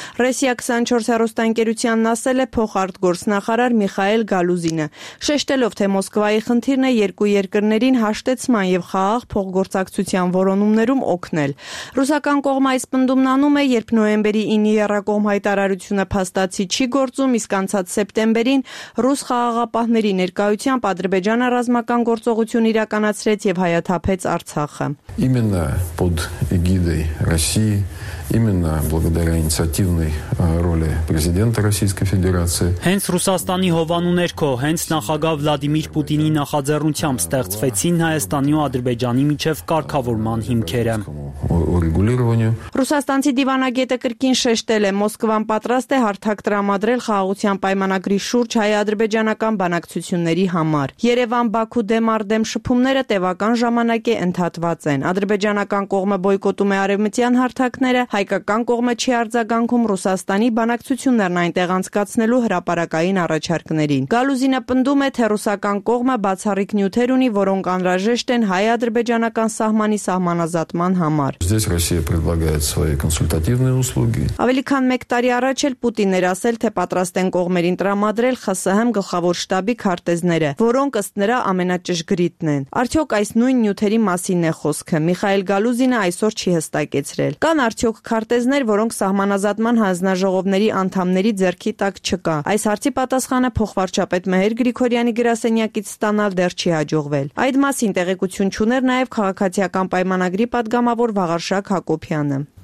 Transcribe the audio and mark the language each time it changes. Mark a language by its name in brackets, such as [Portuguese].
[Armenian] Ռեսիա 24 հեռուստաընկերությանն ասել է փոխարտ գործնախարար Միխայել Գալուզինը, շեշտելով, թե Մոսկվայի խնդիրն է երկու երկրներին հաշտեցման եւ խաղաղ փոխգործակցության որոնումներում օգնել։ Ռուսական կողմը այս պնդումն անում է, երբ նոյեմբերի 9-ի Եռակողմ հայտարարությունը փաստացի չի գործում, իսկ անցած սեպտեմբերին ռուս խաղաղապահների ներկայությամբ Ադրբեջանը ռազմական գործողություն իրականացրեց եւ հայաթափեց Արցախը։ [Russian] Именно под эгидой России, именно благодаря инициативной роли президента Российской Федерации. [Armenian] Հենց Ռուսաստանի հովանու ներքո, հենց նախագահ Վլադիմիր Պուտինի նախաձեռնությամբ ստեղծվեցին Հայաստանի ու Ադրբեջանի միջև կարգավորման հիմքերը։ Ռուսաստանցի դիվանագետը կրկին շեշտել է, Մոսկվան պատրաստ է հարթակ տրամադրել խաղաղության պայմանագրի շուրջ հայ-ադրբեջանական բանակցությունների համար։ Երևան-Բաքու դեմարդեմ շփումները տևական ժամանակ է ընդհատված են։ Ադրբեջանական կողմը բոյկոտում է արևմտյան հարթակները, հայկական կողմը չի արձագանքում Ռուսաստանի բանակցություններն այնտեղ անցկացնելու հրապարակային առաջարկներին։ Գալուզինը պնդում է, թե ռուսական կողմը բացառիկ նյութեր ունի, որոնք անհրաժեշտ են հայ-ադրբեջանական սահմանի սահմանազատման համար։ [Russian] Здесь Россия предлагает свои консультативные услуги. [Armenian] Ավելի քան 1 տարի առաջ էլ Պուտինն էր ասել, թե պատրաստ են կողմերին տրամադրել ԽՍՀՄ գլխավոր շտաբի քարտեզները, որոնք ըստ նրա ամենաճշգրիտն են։ Արդյոք այս նույն նյութերի մասին է խոսքը, Միխայել Գալուզինը այսօր չի հստակեցրել։ Կան արդյոք քարտեզներ, որոնք սահմանազատման հանձնաժողովների անդամների ձեռքի տակ չկա։ Այս հարցի պատասխանը փոխվարչապետ Մհեր Գրիգորյանի գրասենյակից ստանալ դեռ չի հաջողվել։ Այդ մասին տեղեկություն չուներ նաև քաղաքացիական պայմանագրի պատգամավոր Վաղարշակ Հակոբյանը։